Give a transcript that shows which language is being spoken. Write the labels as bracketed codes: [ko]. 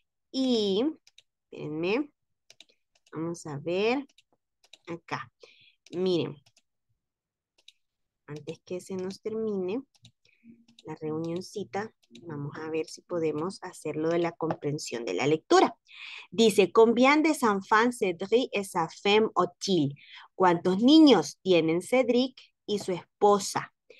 [es] Y, espérenme. Vamos a ver acá. Miren, antes que se nos termine la reunioncita, vamos a ver si podemos hacer lo de la comprensión de la lectura. Dice, [fr] ¿combien de enfants Cédric et sa femme ont-ils? [es] ¿Cuántos niños tienen Cédric y su esposa?